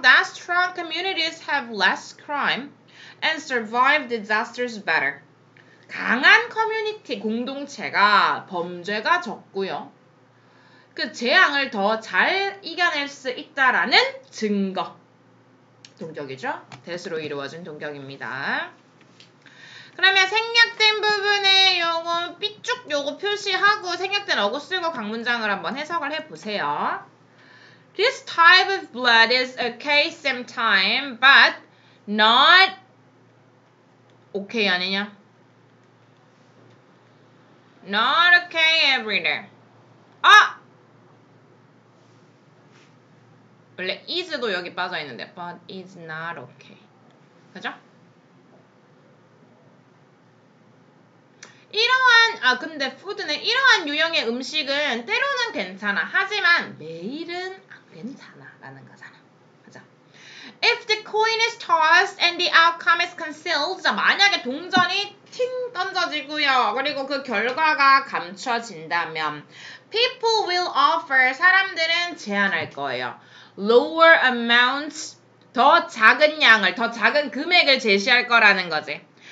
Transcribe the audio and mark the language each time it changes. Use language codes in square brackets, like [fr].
[en] That strong communities have less crime and survive disasters better. [ko] 강한 커뮤니티, 공동체가 범죄가 적고요. 그 재앙을 더 잘 이겨낼 수 있다라는 증거. 동격이죠? 대수로 이루어진 동격입니다. 그러면 생략된 부분에 요거 삐죽 요거 표시하고 생략된 어구 쓰고 강문장을 한번 해석을 해보세요. [en] This type of blood is okay sometime, but not okay [ko] 아니냐? [en] Not okay every day. 아! [ko] 원래 is도 여기 빠져있는데 [en] but is not okay. [ko] 그죠? 이러한 아 근데 푸드는 이러한 유형의 음식은 때로는 괜찮아. 하지만 매일은 안 괜찮아. 라는 거잖아. 그죠? [en] If the coin is tossed and the outcome is concealed. [ko] 자, 만약에 동전이 팅 던져지고요. 그리고 그 결과가 감춰진다면 [en] people will offer. [ko] 사람들은 제안할 거예요. [en] lower amounts, [ko] 더 작은 양을, 더 작은 금액을 제시할 거라는 거지.